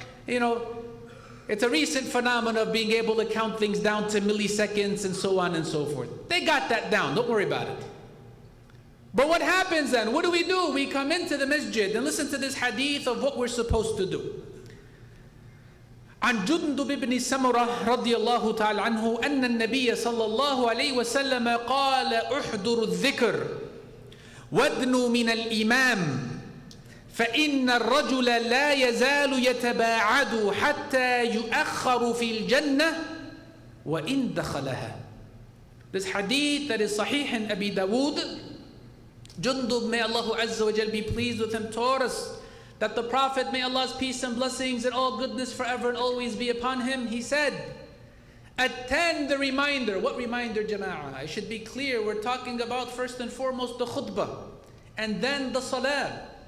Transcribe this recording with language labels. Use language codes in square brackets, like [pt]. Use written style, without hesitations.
[en] You know, it's a recent phenomenon of being able to count things down to milliseconds and so on and so forth. They got that down. Don't worry about it. But what happens then? What do? We come into the masjid and listen to this hadith of what we're supposed to do. [ar] عن جندب بن سمرة رضي الله تعالى عنه أن النبي صلى الله عليه وسلم قال احضر الذكر وادنوا من الإمام فإن الرجل لا يزال يتباعد حتى يؤخر في الجنة وإن دخلها. [en] This hadith that is sahih in Abi Dawood. Jundub, may Allah Azza wa Jal be pleased with him, taught us that the Prophet, may Allah's peace and blessings and all goodness forever and always be upon him, he said, attend the reminder. What reminder, Jama'ah? I should be clear, we're talking about first and foremost the khutbah and then the salah.